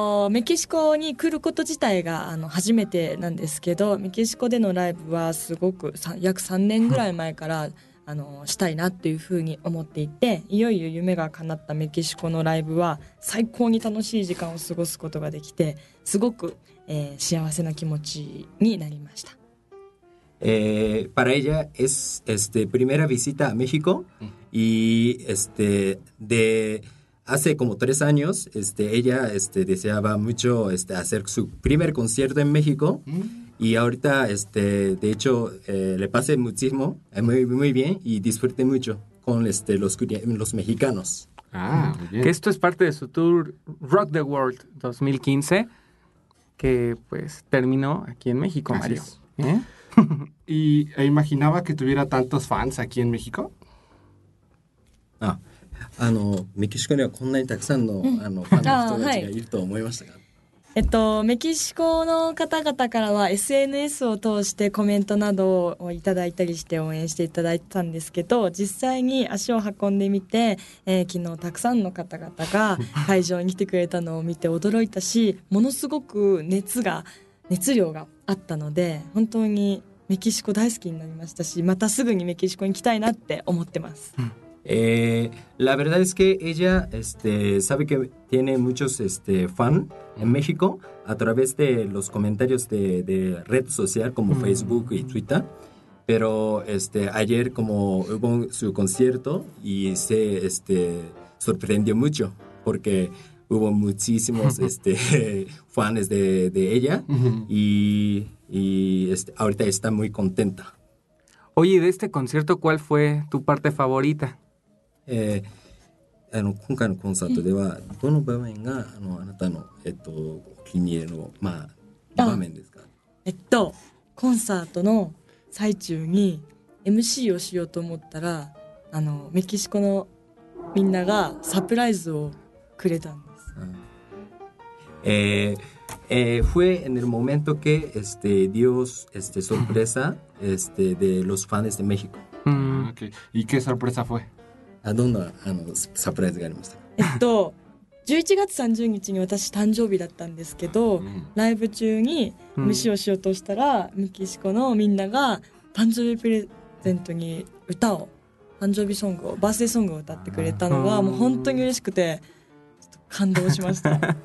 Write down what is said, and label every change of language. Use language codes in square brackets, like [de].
[ja] メキシコに来ること自体が初めてなんですけど、メキシコでのライブはすごく約3年ぐらい前からしたいなというふうに思っていて、いよいよ夢が叶ったメキシコのライブは最高に楽しい時間を過ごすことができて、すごく、幸せな気持ちになりました。 [es] Para ella es primera visita a México y de hace como 3 años ella deseaba mucho hacer su primer concierto en México. Y ahorita, de hecho, le pasé muchísimo, muy, muy bien, y disfruté mucho con los mexicanos. Ah, muy bien. Que esto es parte de su tour Rock the World 2015, que pues terminó aquí en México, Mario. Así es. ¿Y imaginaba que tuviera tantos fans aquí en México? [ja] メキシコにはこんなにたくさんの、ファンの人たちがいると思いましたか？メキシコの方々からは SNS を通してコメントなどをいただいたりして応援していただいてたんですけど、実際に足を運んでみて、昨日たくさんの方々が会場に来てくれたのを見て驚いたし、ものすごく熱量があったので本当にメキシコ大好きになりましたし、またすぐにメキシコに行きたいなって思ってます。 [es] La verdad es que ella sabe que tiene muchos fan en México a través de los comentarios de red social como Facebook y Twitter, pero ayer como hubo su concierto y se sorprendió mucho porque hubo muchísimos fans de ella y ahorita está muy contenta. Oye, de este concierto, ¿cuál fue tu parte favorita? [ja] 今回のコンサートではどの場面が あなたの、お気に入りの、場面ですか？コンサートの最中に MC をしようと思ったらメキシコのみんながサプライズをくれたんです。 [es] Fue en el momento que dio sorpresa de los fans de México. Okay. ¿Y qué sorpresa fue? [ja] どんなサプライズがありました？ 11月30日に私誕生日だったんですけど、ライブ中に MC をしようとしたら、メキシコのみんなが誕生日プレゼントに誕生日ソングをバースデーソングを歌ってくれたのがもう本当に嬉しくて、ちょっと感動しました。